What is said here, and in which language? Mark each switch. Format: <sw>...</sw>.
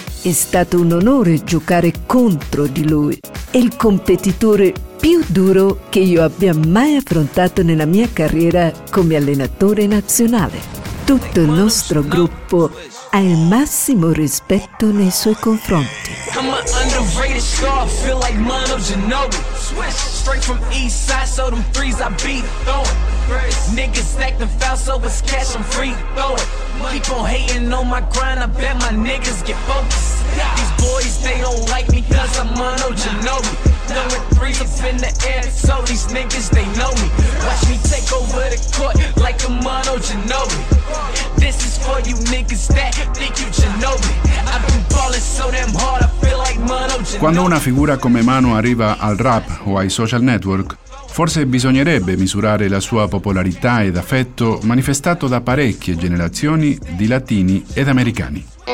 <it>È stato un onore giocare contro di lui. È il competitore più duro che io abbia mai affrontato nella mia carriera come allenatore nazionale. Tutto il nostro gruppo ha il massimo rispetto nei suoi confronti».</it> <en>I'm an underrated star, feel like Manu Ginobili. Swish, straight from east side, so them threes I beat throwing. Niggas acting foul, so it's cash, I'm free throwing. Keep on hating on my grind, I bet my niggas get focused. These boys, they don't like me, cause I'm Manu Ginobili. Throwing threes up in the air, so these niggas, they know me. Watch me take over the court, like a Manu Ginobili. This is for you niggas that think you Ginobili.</en> <it>Quando una figura come Manu arriva al rap o ai social network, forse bisognerebbe misurare la sua popolarità ed affetto manifestato da parecchie generazioni di latini ed americani.</it>